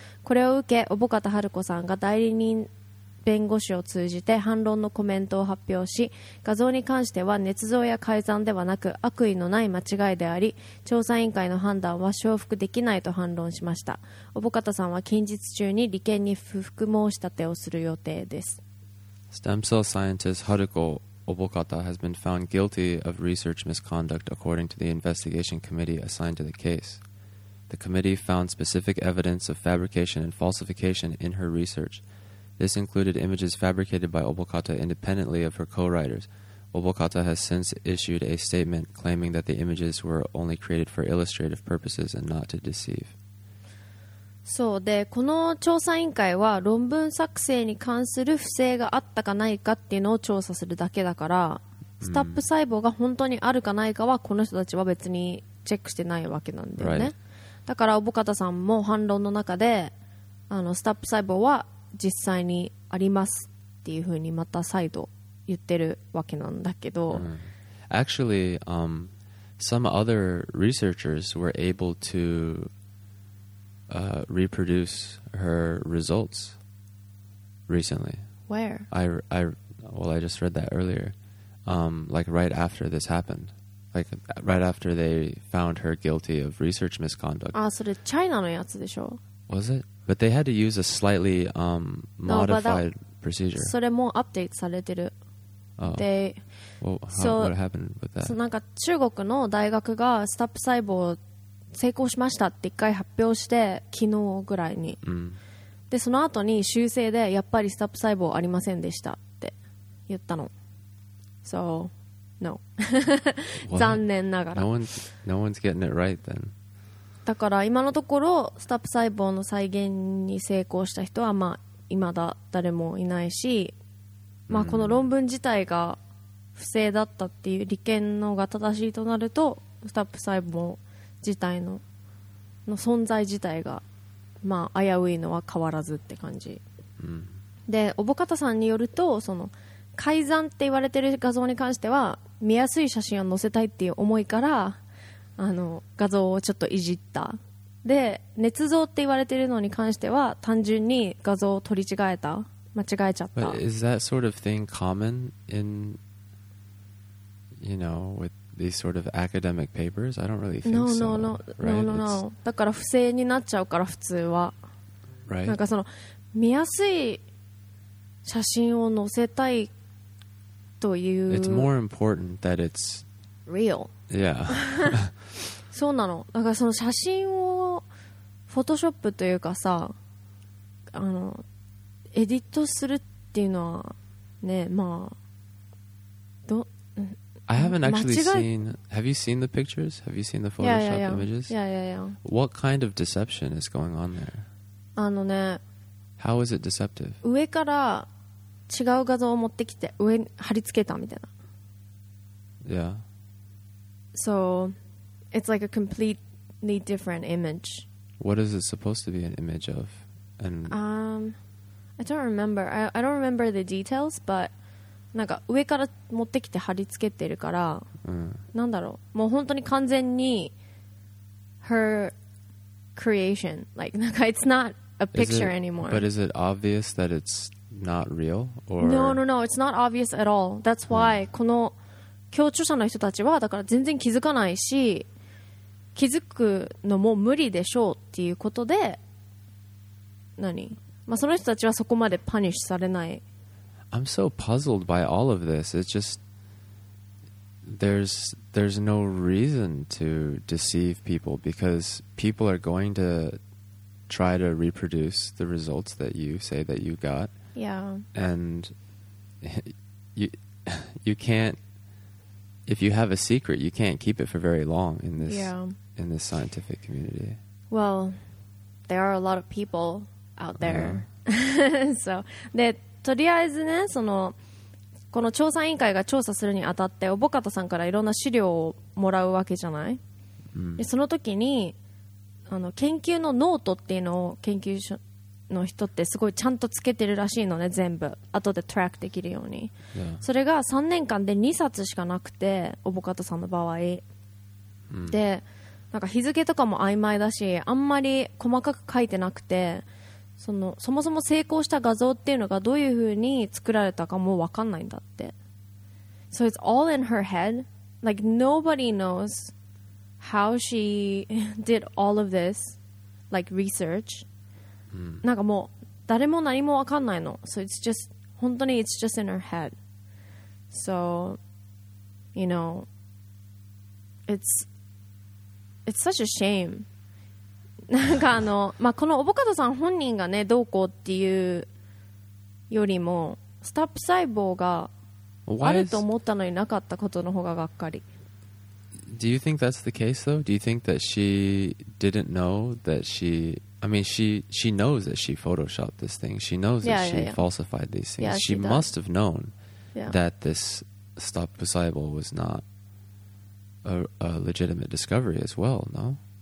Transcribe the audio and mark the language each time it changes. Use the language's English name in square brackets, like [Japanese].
[Japanese] これを受け、小保方春子さんが代理人弁護士を通じて反論のコメントを発表し、画像に関しては捏造や改ざんではなく悪意のない間違いであり、調査委員会の判断は承服できないと反論しました。小保方さんは近日中に利権に不服申し立てをする予定です。 [English] Stem cell scientist Haruko Obokata has been found guilty of research misconduct according to the investigation committee assigned to the case. The committee found specific evidence of fabrication and falsification in her research. This included images fabricated by Obokata independently of her co-writers. Obokata has since issued a statement claiming that the images were only created for illustrative purposes and not to deceive. [Japanese] そうで、この調査委員会は論文作成に関する不正があったかないかっていうのを調査するだけだから、スタップ細胞が本当にあるかないかはこの人たちは別にチェックしてないわけなんだよね。だから Obokata さんも反論の中で、スタップ細胞は実際にありますっていうふうにまた再度言ってるわけなんだけど、 [English] Actually, some other researchers were able to reproduce her results recently. Where? I just read that earlier. Like right after this happened. Like right after they found her guilty of research misconduct. [Japanese] ああ、それチャイナのやつでしょ。 [English] Was it? But they had to use a slightly modified procedure. [Japanese] それもアップデートされてる。 [English] Oh. They, well, how, what happened with that? So, [Japanese] なんか中国の大学がスタップ細胞成功しましたって一回発表して昨日ぐらいに。 Mm. で、その後に修正でやっぱりスタップ細胞ありませんでしたって言ったの。 [English] So, no. [Japanese] 残念ながら。 [English] No one's getting it right then. [Japanese] だから今のところスタップ細胞の再現に成功した人はまあ未だ誰もいないし、まあこの論文自体が不正だったっていう利権のが正しいとなると、スタップ細胞自体 の存在自体がまあ危ういのは変わらずって感じ、うん、で小保方さんによると、その改ざんって言われてる画像に関しては見やすい写真を載せたいっていう思いから、あの画像をちょっといじった。で、捏造って言われてるのに関しては単純に画像を取り違えた、間違えちゃった。 [English] But is that sort of thing common in, you know, with these sort of academic papers? I don't really think No. [Japanese] だから不正になっちゃうから、普通は、 [English] right. [Japanese] なんかその見やすい写真を載せたいという、 [English] It's more important that it's real. Yeah. [Japanese] そうなの。だからその写真をフォトショップというかさ、エディットするっていうのはね、まあ、 [English] I haven't actually seen. Have you seen the pictures? Have you seen the Photoshop images? Yeah. What kind of deception is going on there? [Japanese] あのね、 [English] How is it deceptive? [Japanese] 上から違う画像を持ってきて上に貼り付けたみたいな。 [English] Yeah. So, it's like a completely different image. What is it supposed to be an image of? And I don't remember. I don't remember the details, but [Japanese] なんか上から持ってきて貼り付けてるから、なんだろう。もう本当に完全に [English] her creation. Like, [Japanese] なんか [English] it's not a picture anymore. But is it obvious that it's not real? Or? No. It's not obvious at all. That's why [Japanese] この共著者の人たちはだから全然気づかないし、気づくのも無理でしょうっていうことで、何、まあ、その人たちはそこまでパニッシュされない。 [English] I'm so puzzled by all of this. It's just there's no reason to deceive people, because people are going to try to reproduce the results that you say that you got. Yeah. And you can't, if you have a secret, you can't keep it for very long in this, yeah, in this scientific community. Well, there are a lot of people out there. So, [Japanese] で、とりあえずね、その、この調査委員会が調査するにあたって、オボカタさんからいろんな資料をもらうわけじゃない？で、その時に、あの、研究のノートっていうのを研究所の人ってすごいちゃんとつけてるらしいのね、全部。後でトラックできるように。それが3年間で2冊しかなくて、オボカタさんの場合。で、なんか日付とかも曖昧だし、あんまり細かく書いてなくて、そのそもそも成功した画像っていうのがどういう風に作られたかもう分かんないんだって。 [English] So it's all in her head. Like nobody knows how she did all of this like research. [Japanese] なんかもう誰も何も分かんないの。 [English] So it's just [Japanese] 本当に [English] it's just in her head. So you know it's such a shame. [Japanese] なんかあの、まあ、このオボカドさん本人がねどうこうっていうよりもスタップ細胞があると思ったのになかったことの方ががっかり。 [English] Do you think that's the case though? Do you think that she didn't know that she I mean she knows that she photoshopped this thing. She knows that she falsified these things. Yeah, she must have known that this stop cyborg was not a legitimate discovery as well, no